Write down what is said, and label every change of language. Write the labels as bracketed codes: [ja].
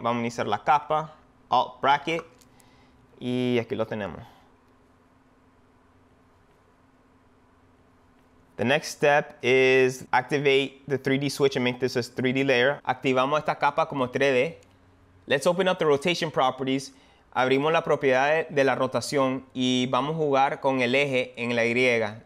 [es] Vamos a iniciar la capa, Alt bracket, y aquí lo tenemos. [en] The next step is activate the 3D switch and make this a 3D layer. [es] Activamos esta capa como 3D. [en] Let's open up the rotation properties. [es] Abrimos la propiedad de la rotación y vamos a jugar con el eje en la Y.